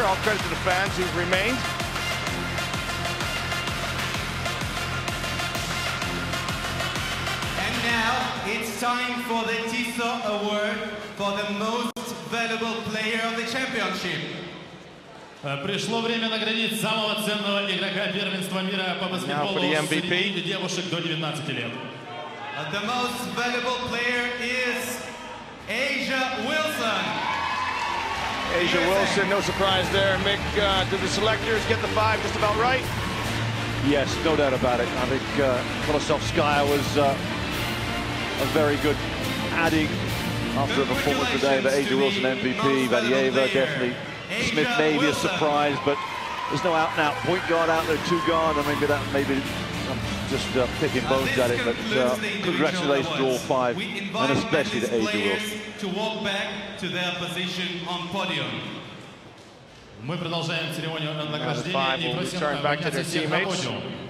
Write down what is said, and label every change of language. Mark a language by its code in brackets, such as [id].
[en] All credit to the fans who've remained. And now it's time for the Tissot Award for the most valuable player of the championship. [ru] Пришло время наградить самого ценного игрока первенства мира по баскетболу среди девушек до 19 лет. [en] The most valuable player is Asia Wilson. Asia Wilson, no surprise there. Mick, did the selectors get the five just about right? Yes, no doubt about it. I think Konovskaya was a very good adding after a performance today. But Asia Wilson, MVP, Vadieva, definitely. Asia Smith may be a surprise, but there's no out and out. Point guard out there, two guard. I mean, maybe that, maybe I'm just picking bones at it. But congratulations to all five, and especially to Asia Wilson. To walk back to their position on podium. [ru] Мы продолжаем церемонию награждения и просим всех на подиум.